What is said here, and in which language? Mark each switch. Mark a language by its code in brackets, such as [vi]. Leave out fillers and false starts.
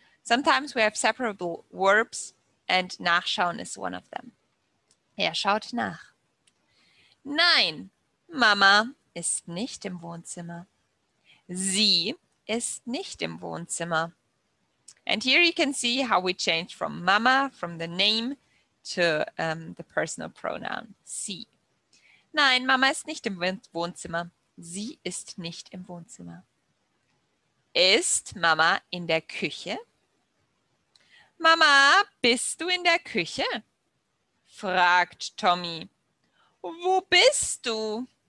[en] Sometimes we have separable verbs and nachschauen is one of them. [de] Er schaut nach. Nein, Mama ist nicht im Wohnzimmer. Sie ist nicht im Wohnzimmer. [en] And here you can see how we change from Mama, from the name, to the personal pronoun, sie. [de] Nein, Mama ist nicht im Wohnzimmer. Sie ist nicht im Wohnzimmer. Ist Mama in der Küche? Mama, bist du in der Küche? Fragt Tommy. Wo bist du?